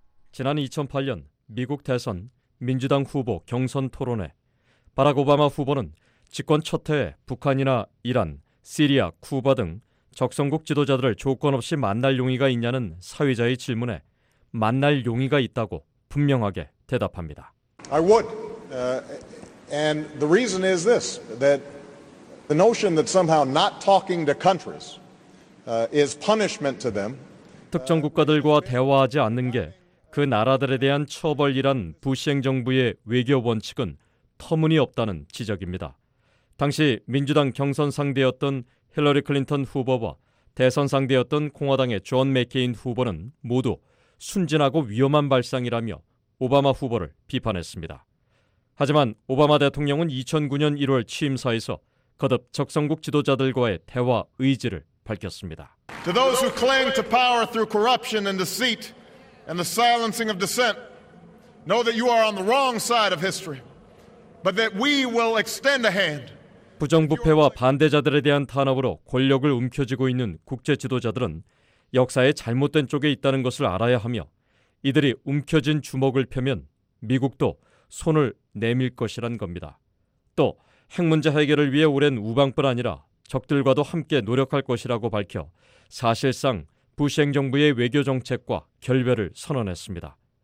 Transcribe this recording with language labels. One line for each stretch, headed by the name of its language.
Korean: 지난 2008년 미국 대선 민주당 후보 경선 토론회 바락 오바마 후보는 집권 첫 해에 북한이나 이란, 시리아, 쿠바 등 적성국 지도자들을 조건 없이 만날 용의가 있냐는 사회자의 질문에 만날 용의가 있다고 분명하게 대답합니다.
English: I would. And the reason is this, that the notion that somehow not talking to countries is punishment to them.
Korean: 특정 국가들과 대화하지 않는 게 그 나라들에 대한 처벌이란 부시 행정부의 외교 원칙은 터무니없다는 지적입니다. 당시 민주당 경선 상대였던 힐러리 클린턴 후보와 대선 상대였던 공화당의 존 맥케인 후보는 모두 순진하고 위험한 발상이라며 오바마 후보를 비판했습니다. 하지만 오바마 대통령은 2009년 1월 취임사에서 거듭 적성국 지도자들과의 대화 의지를 밝혔습니다.
English: To those who cling to power through corruption and deceit and the silencing of dissent, know that you are on the wrong side of history, but that we will extend a hand.
Korean: 부정부패와 반대자들에 대한 탄압으로 권력을 움켜쥐고 있는 국제 지도자들은 역사의 잘못된 쪽에 있다는 것을 알아야 하며 이들이 움켜진 주먹을 펴면 미국도 손을 내밀 것이란 겁니다. 또 핵 문제 해결을 위해 오랜 우방뿐 아니라 적들과도 함께 노력할 것이라고 밝혀 사실상 부시 행정부의 외교 정책과 결별을 선언했습니다.